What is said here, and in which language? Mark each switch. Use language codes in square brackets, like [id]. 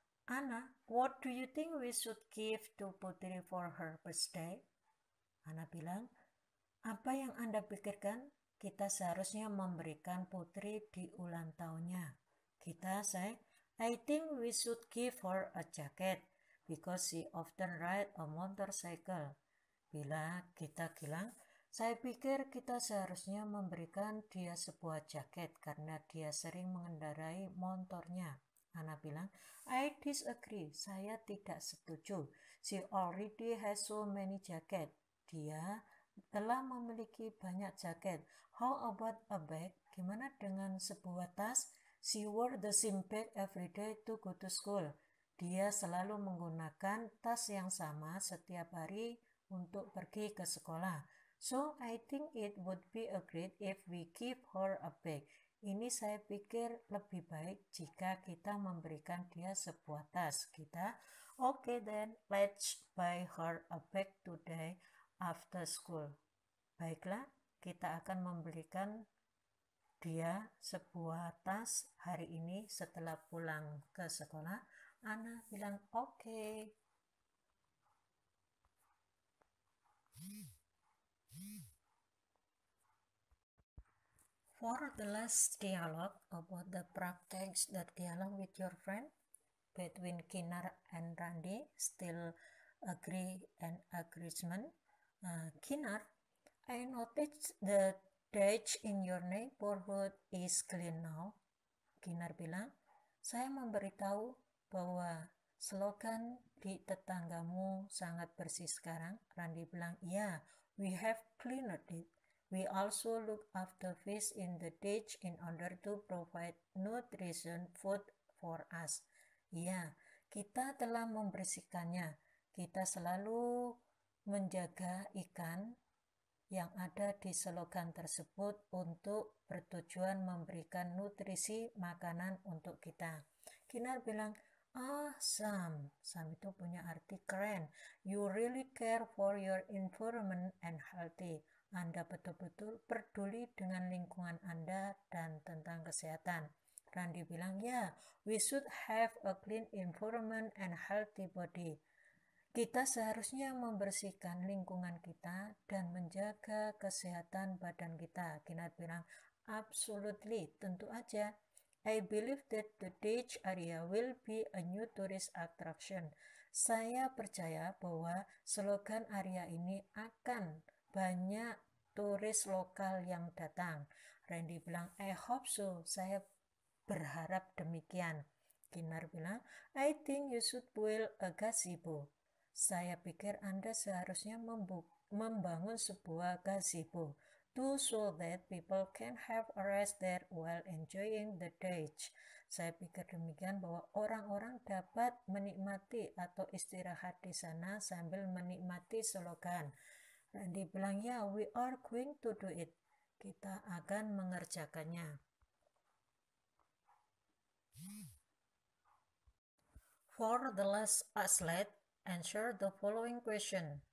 [en] Ana, what do you think we should give to Putri for her birthday? [id] Ana bilang, apa yang Anda pikirkan? Kita seharusnya memberikan Putri di ulang tahunnya. [en] Gita say, I think we should give her a jacket because she often ride a motorcycle. [id] Bila Gita bilang, saya pikir kita seharusnya memberikan dia sebuah jaket karena dia sering mengendarai motornya. Ana bilang, [en] I disagree, [id] saya tidak setuju. [en] She already has so many jacket. [id] Dia telah memiliki banyak jaket. [en] How about a bag? [id] Gimana dengan sebuah tas? [en] She wore the same bag every day to go to school. [id] Dia selalu menggunakan tas yang sama setiap hari untuk pergi ke sekolah. [en] So, I think it would be a great if we give her a bag. [id] Ini saya pikir lebih baik jika kita memberikan dia sebuah tas. [en] Kita, okay then, let's buy her a bag today after school. [id] Baiklah, kita akan membelikan dia sebuah tas hari ini setelah pulang ke sekolah. Ana bilang, okay. [en] For the last dialogue about the practice, the dialogue with your friend between Kinar and Randy, still agree and agreement. Kinar, I noticed the ditch in your neighborhood is clean now. [id] Kinar bilang, saya memberitahu bahwa selokan di tetanggamu sangat bersih sekarang. [en] Randy [id] bilang, ya, [en] we have cleaned it. We also look after fish in the ditch in order to provide nutrition food for us. [id] Ya, kita telah membersihkannya. Kita selalu menjaga ikan yang ada di selokan tersebut untuk bertujuan memberikan nutrisi makanan untuk kita. Kinar bilang, ah, Sam. Sam itu punya arti keren. [en] You really care for your environment and healthy. [id] Anda betul-betul peduli dengan lingkungan Anda dan tentang kesehatan. [en] Randy [id] bilang, ya, [en] we should have a clean environment and healthy body. [id] Kita seharusnya membersihkan lingkungan kita dan menjaga kesehatan badan kita. Kinat bilang, absolutely, tentu aja. [en] I believe that the ditch area will be a new tourist attraction. [id] Saya percaya bahwa selokan area ini akan banyak turis lokal yang datang. Randy bilang, [en] I hope so. [id] Saya berharap demikian. [en] Kinar bilang, I think you should build a gazebo. [id] Saya pikir Anda seharusnya membangun sebuah gazebo [en] to so that people can have a rest there while enjoying the ditch. [id] Saya pikir demikian bahwa orang-orang dapat menikmati atau istirahat di sana sambil menikmati selokan. [en] Randy bilang, ya, we are going to do it. [id] Kita akan mengerjakannya. [en] For the last slide, answer the following question.